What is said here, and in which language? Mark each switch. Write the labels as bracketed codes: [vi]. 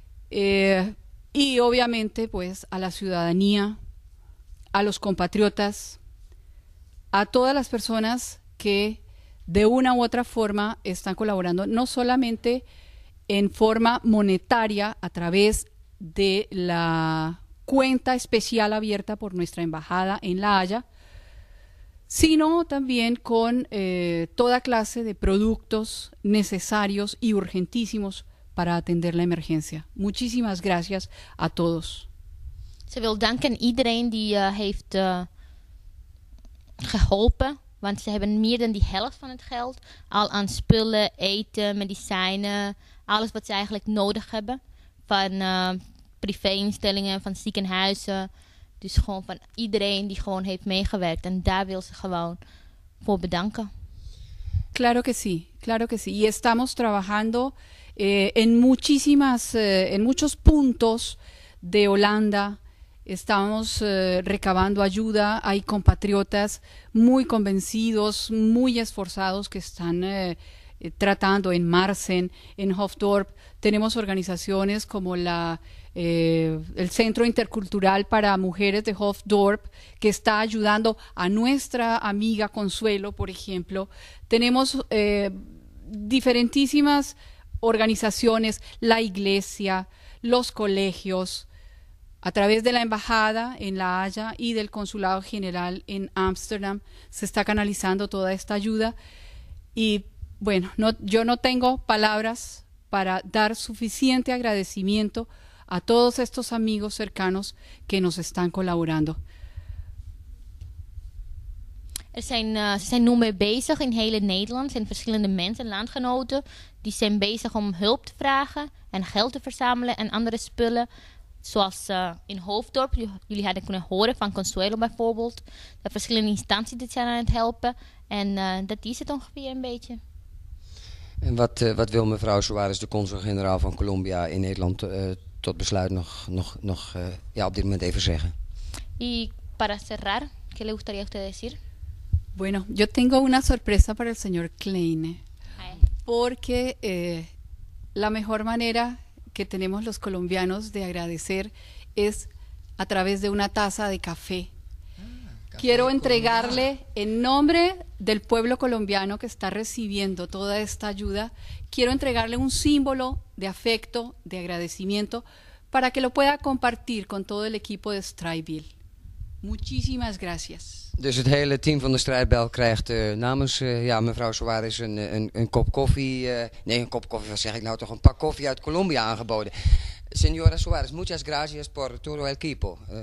[es] Y obviamente, pues, a la ciudadanía, a los compatriotas, a todas las personas que de una u otra forma están colaborando, no solamente en forma monetaria, a través de la... cuenta especial abierta por nuestra embajada en La Haya, sino también con toda clase de productos necesarios y urgentísimos para atender la emergencia. Muchísimas gracias a todos. [nl] Ze wil danken iedereen die heeft geholpen, want ze hebben meer dan die helft van het geld al aan spullen, eten, medicijnen, alles wat ze eigenlijk nodig hebben van privé-instellingen, van ziekenhuizen. Dus gewoon van iedereen die gewoon heeft meegewerkt. En daar wil ze gewoon voor bedanken. [es] Claro que sí, claro que sí. Y estamos trabajando en muchísimas, en muchos puntos de Holanda. Estamos recabando ayuda. Hay compatriotas muy convencidos, muy esforzados que están... tratando en Marsen, en Hofdorp. Tenemos organizaciones como el Centro Intercultural para Mujeres de Hofdorp, que está ayudando a nuestra amiga Consuelo, por ejemplo. Tenemos diferentísimas organizaciones, la iglesia, los colegios, a través de la embajada en La Haya y del Consulado General en Ámsterdam, se está canalizando toda esta ayuda. Y bueno, no, yo no tengo palabras para dar suficiente agradecimiento a todos estos amigos cercanos que nos están colaborando. [nl] Er zijn, ze zijn nu mee bezig in heel Nederland, zijn verschillende mensen, landgenoten, die zijn bezig om hulp te vragen en geld te verzamelen en andere spullen. zoals in Hoofddorp, jullie hadden kunnen horen van Consuelo bijvoorbeeld, dat verschillende instanties dit zijn aan het helpen. En dat is het ongeveer een beetje. En wat wil mevrouw Suarez, de consul-generaal van Colombia in Nederland, tot besluit nog op dit moment even zeggen? [es] Y para cerrar, ¿qué le gustaría usted decir? Bueno, yo tengo una sorpresa para el señor Klein. Porque la mejor manera que tenemos los colombianos de agradecer es a través de una taza de café. Quiero entregarle en nombre del pueblo colombiano que está recibiendo toda esta ayuda, quiero entregarle un símbolo de afecto, de agradecimiento, para que lo pueda compartir con todo el equipo de Strijdbijl. Muchísimas gracias. [nl] Dus het hele team van de Strijdbijl krijgt namens mevrouw Suarez een kop koffie. Een kop koffie, wat zeg ik nou, toch een pak koffie uit Colombia aangeboden. [es] Señora Suarez, muchas gracias por todo el equipo.